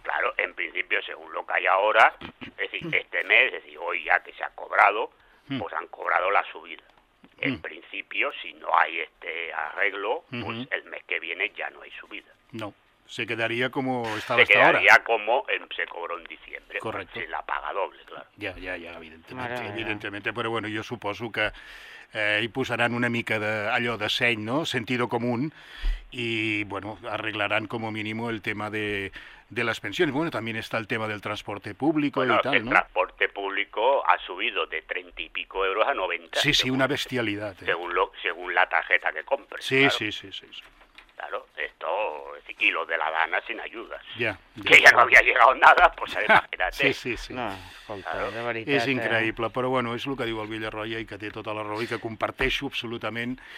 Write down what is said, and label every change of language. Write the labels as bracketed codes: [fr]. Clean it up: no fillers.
[es] Claro, en principio, según lo que hay ahora, es decir, este mes, es decir, hoy ya que se ha cobrado, uh-huh, pues han cobrado la subida. En mm. principio, si no hay este arreglo, mm-hmm, pues el mes que viene ya no hay subida. No, se quedaría como estaba hasta ahora. Se quedaría como se cobró en diciembre. Correcto. Pues, la paga doble, claro. [ca] Ja, ja, ja, evidentemente, ara, evidentemente. Ja. Però bueno, jo suposo que hi posaran una mica d'allò de seny, no? [es] Sentido comun, i bueno, arreglaran como mínimo el tema de las pensiones. Bueno, también está el tema del transporte público, bueno, y tal, el ¿no? El transporte público ha subido de 30 y pico euros a 90. Sí, sí, una bestialidad. Según la tarjeta que compres. Sí, claro. Sí, sí, sí, sí. Claro, esto... Y lo de la DANA sin ayudas. Ya. Que ya no había llegado nada, pues imagínate. Sí, sí, sí. [ca] No, escolta, claro, de veritat. És increïble, però bueno, és el que diu el Villarroya i que té tota la raó i que comparteixo absolutament...